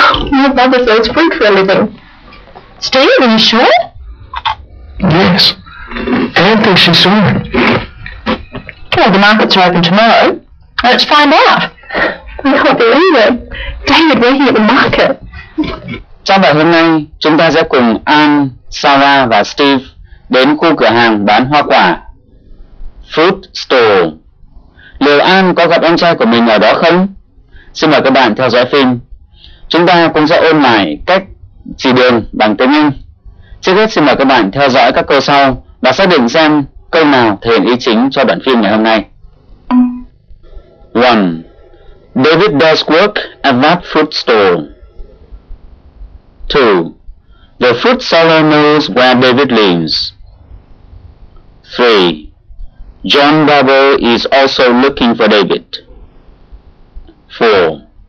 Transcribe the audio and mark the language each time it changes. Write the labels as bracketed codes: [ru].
[en] My brother sells fruit for a living. Steve, are you sure? Yes. Anne thinks she saw him. Well, the markets are open tomorrow. Let's find out. I can't believe it. David working at the market. [vi] Trong bài hôm nay, chúng ta sẽ cùng Anne, Sarah và Steve đến khu cửa hàng bán hoa quả. [en] Fruit store. [vi] Liệu An có gặp em trai của mình ở đó không? Xin mời các bạn theo dõi phim. Chúng ta cũng sẽ ôn lại cách chỉ đường bằng tiếng Anh. Trước hết xin mời các bạn theo dõi các câu sau và xác định xem câu nào thể hiện ý chính cho đoạn phim ngày hôm nay. 1. [en] David does work at that fruit store. 2. The fruit seller knows where David lives. 3. John Barber is also looking for David. 4.